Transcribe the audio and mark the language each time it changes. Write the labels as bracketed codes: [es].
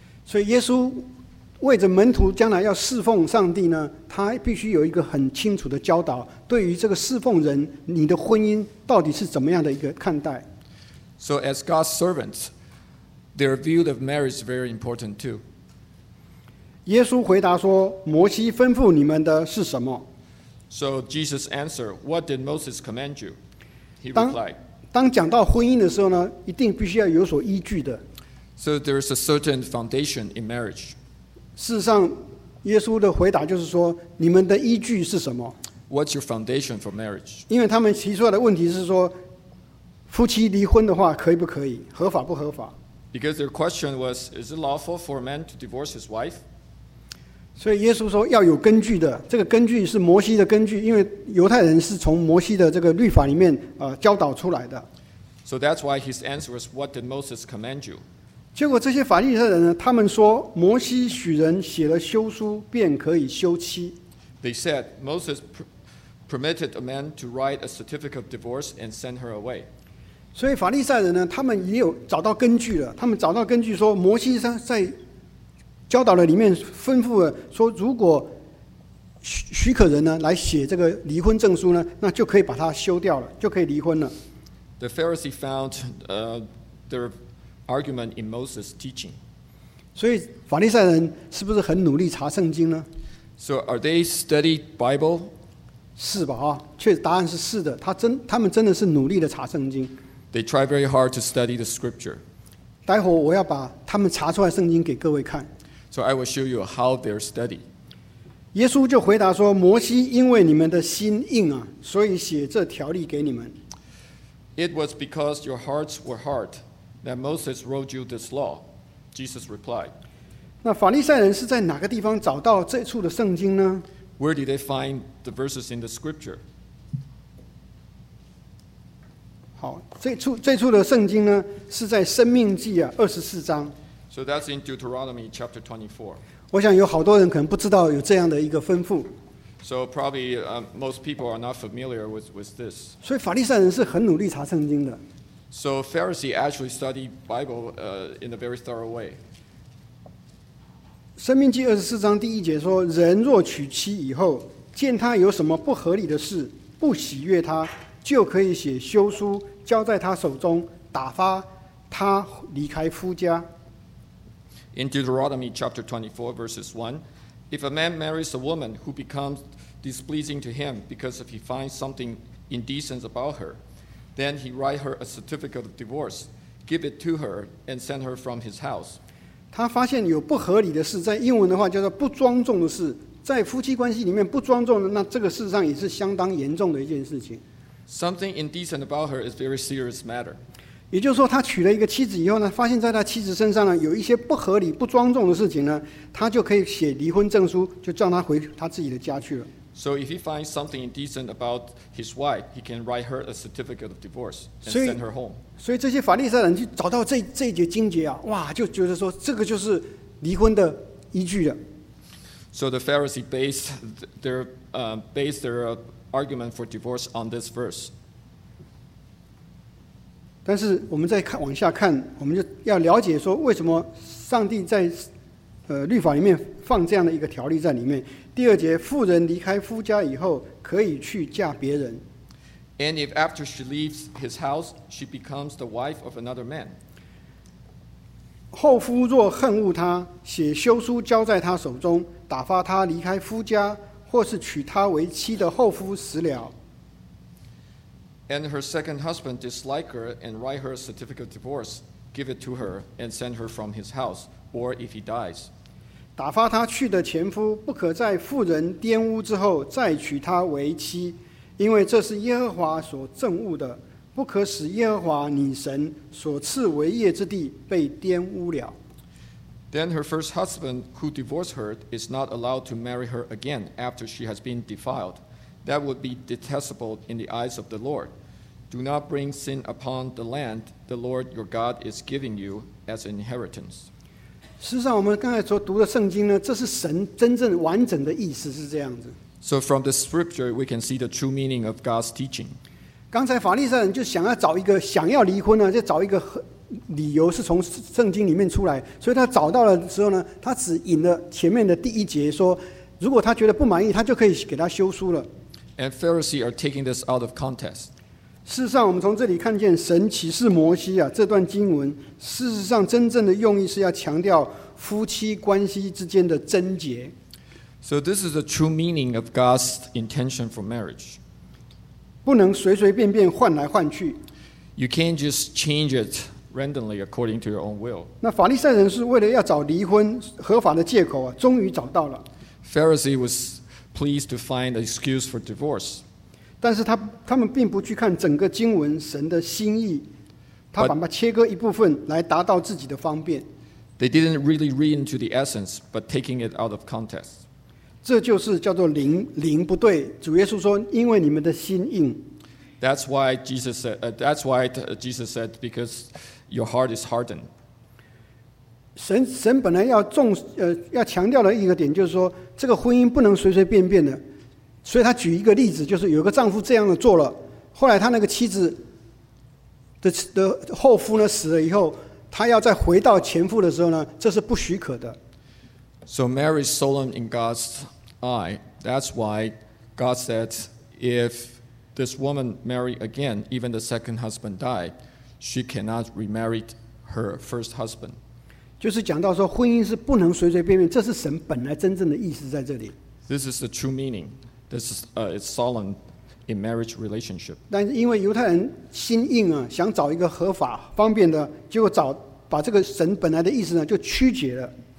[zh] 所以耶稣为着门徒将来要侍奉上帝呢，他必须有一个很清楚的教导，对于这个侍奉人，你的婚姻到底是怎么样的一个看待。 [en] So as God's servants, their view of marriage is very important too. [zh] 耶稣回答说：“摩西吩咐你们的是什么 [en] ？”So Jesus answered, "What did Moses command you?" He replied, [zh] 当讲到婚姻的时候呢，一定必须要有所依据的。 [en] So there is a certain foundation in marriage. [zh] 事实上，耶稣的回答就是说：“你们的依据是什么 [en] ？”What's your foundation for marriage? [zh] 因为他们提出来的问题是说，夫妻离婚的话可以不可以，合法不合法 [en] ？Because their question was, "Is it lawful for a man to divorce his wife?" [zh] 所以耶稣说要有根据的，这个根据是摩西的根据，因为犹太人是从摩西的这个律法里面教导出来的。 [en] So that's why his answer was, "What did Moses command you?" [zh] 结果这些法利赛人呢，他们说摩西许人写了休书便可以休妻。 [en] They said Moses permitted a man to write a certificate of divorce and send her away. [zh] 所以法利赛人呢，他们也有找到根据了，他们找到根据说摩西在。教导了里面吩咐了说如果 许可人呢来写这个离婚证书呢那就可以把它休掉了就可以离婚了 [en] The Pharisee found their argument in Moses' teaching [zh] 所以法利赛人是不是很努力查圣经呢 [en] So are they studied Bible? [zh] 是吧、啊、确实答案是是的 他们真的是努力的查圣经 [en] They try very hard to study the scripture [zh] 待会我要把他们查出来圣经给各位看 [en] So I will show you how they're studied. [zh] 耶稣就回答说：“摩西因为你们的心硬啊，所以写这条例给你们。 [en] ”It was because your hearts were hard that Moses wrote you this law. Jesus replied. [zh] 那法利赛人是在哪个地方找到这处的圣经呢 [en] ？Where did they find the verses in the scripture? [zh] 好，这处的圣经呢，是在《生命记》啊，二十四章。 [en] So that's in Deuteronomy chapter 24. [zh] 我想有好多人可能不知道有这样的一个吩咐。 [en] So probably most people are not familiar with this. [zh] 所以法利赛人是很努力查圣经的。 [en] So Pharisee actually studied Bible in a very thorough way. [zh] 生命记二十四章第一节说：“人若娶妻以后，见他有什么不合理的事，不喜悦他，就可以写休书交在他手中，打发他离开夫家。” [en] In Deuteronomy chapter 24, verses 1, if a man marries a woman who becomes displeasing to him because if he finds something indecent about her, then he write her a certificate of divorce, give it to her, and send her from his house. [zh] 他发现有不合理的事，在英文的话叫做不庄重的事，在夫妻关系里面不庄重的，那这个事实上也是相当严重的一件事情。 [en] Something indecent about her is a very serious matter. [zh] 也就是说，他娶了一个妻子以后呢，发现在他妻子身上呢有一些不合理、不庄重的事情呢，他就可以写离婚证书，就叫他回他自己的家去了。 [en] So if he finds something indecent about his wife, he can write her a certificate of divorce and send her home. [zh] 所以这些法利赛人去找到这一节经节啊，哇，就觉得说这个就是离婚的依据了。 [en] So the Pharisee based their argument for divorce on this verse. [zh] 但是我们再看往下看，我们就要了解说为什么上帝在律法里面放这样的一个条例在里面。第二节，妇人离开夫家以后，可以去嫁别人。 [en] And if after she leaves his house, she becomes the wife of another man. [zh] 后夫若恨恶她，写休书交在她手中，打发她离开夫家，或是娶她为妻的后夫死了。 [en] And her second husband dislike her and write her a certificate of divorce, give it to her and send her from his house, or if he dies. [zh] 打发他去的前夫不可在妇人玷污之后再娶她为妻，因为这是耶和华所憎恶的，不可使耶和华你神所赐为业之地被玷污了。 [en] Then her first husband who divorced her is not allowed to marry her again after she has been defiled. That would be detestable in the eyes of the Lord. Do not bring sin upon the land the Lord your God is giving you as an inheritance. [zh] 事实上，我们刚才所读的圣经呢，这是神真正完整的意思是这样子。 [en] So from the scripture, we can see the true meaning of God's teaching. [zh] 刚才法利赛人就想要找一个想要离婚呢，就找一个理由是从圣经里面出来，所以他找到了之后呢，他只引了前面的第一节说，如果他觉得不满意，他就可以给他休书了。 [en] And Pharisees are taking this out of context. [zh] 事实上，我们从这里看见神启示摩西啊，这段经文事实上真正的用意是要强调夫妻关系之间的贞洁。 [en] So this is the true meaning of God's intention for marriage. [zh] 不能随随便便换来换去。 [en] You can't just change it randomly according to your own will. [zh] 那法利赛人是为了要找离婚合法的借口啊，终于找到了。 [en] Pharisee was pleased to find an excuse for divorce. [zh] 但是他们并不去看整个经文神的心意，他把它切割一部分来达到自己的方便。 [en] They didn't really read into the essence, but taking it out of context. [zh] 这就是叫做灵不对。主耶稣说，因为你们的心硬。 [en] That's why Jesus said, because your heart is hardened. [zh] 神本来要强调的一个点就是说，这个婚姻不能随随便便的。所以他举一个例子，就是有个丈夫这样的做了，后来他那个妻子 的后夫呢死了以后，他要再回到前夫的时候呢，这是不许可的。 [en] So marriage is solemn in God's eye. That's why God said if this woman marry again, even the second husband die, she cannot remarry her first husband. [zh] 就是讲到说婚姻是不能随随便便，这是神本来真正的意思在这里。 [en] This is the true meaning. This is it's solemn in marriage relationship. [zh] 但是因为犹太人心硬啊，想找一个合法方便的，结果把这个神本来的意思呢就曲解了。